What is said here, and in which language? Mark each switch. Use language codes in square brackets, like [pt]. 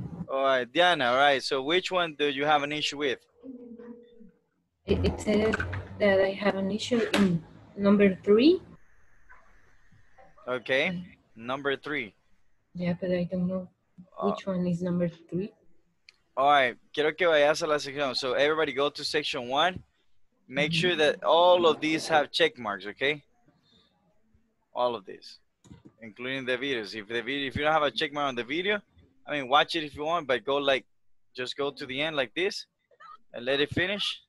[en] All right, Diana, all right. So which one do you have an issue with? It said that I have an issue in number 3. Okay, number 3. Yeah, but I don't know which one is number 3. All right, [es] quiero que vayas a la sección. [en] So everybody go to section 1. Make sure that all of these have check marks, okay? All of these, including the videos. If you don't have a check mark on the video, I mean, watch it if you want, but go like, just go to the end like this and let it finish.